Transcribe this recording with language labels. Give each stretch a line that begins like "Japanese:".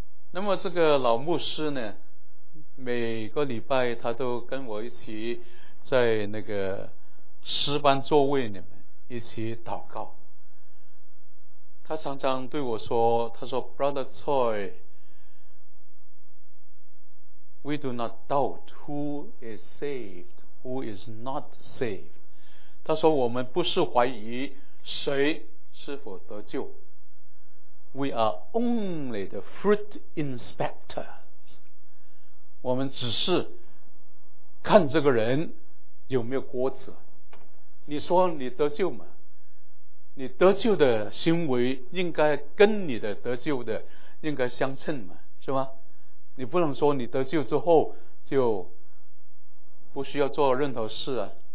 Chinese: 那么这个老牧师呢，每个礼拜他都跟我一起在那个师班座位里面一起祷告。他常常对我说，他说 Brother Choi，
English: We do not doubt who is saved, who is not saved.
Chinese: 他说我们不是怀疑谁是否得救。
English: We are only the fruit inspectors.
Chinese: 我们只是看这个人有没有果子。你说你得救吗？你得救的行为应该跟你的得救的应该相称嘛，是吧？你不能说你得救之后就不需要做任何事啊。